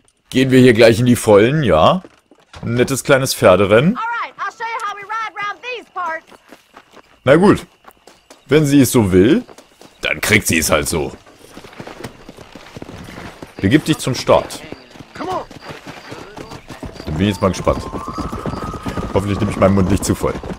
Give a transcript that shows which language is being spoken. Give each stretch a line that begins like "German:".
German: Gehen wir hier gleich in die Vollen, ja. Ein nettes kleines Pferderennen.
English: Alright, I'll show you how we ride around these parts.
German: Na gut. Wenn sie es so will, dann kriegt sie es halt so. Begib dich zum Start. Dann bin ich jetzt mal gespannt. Hoffentlich nehme ich meinen Mund nicht zu voll.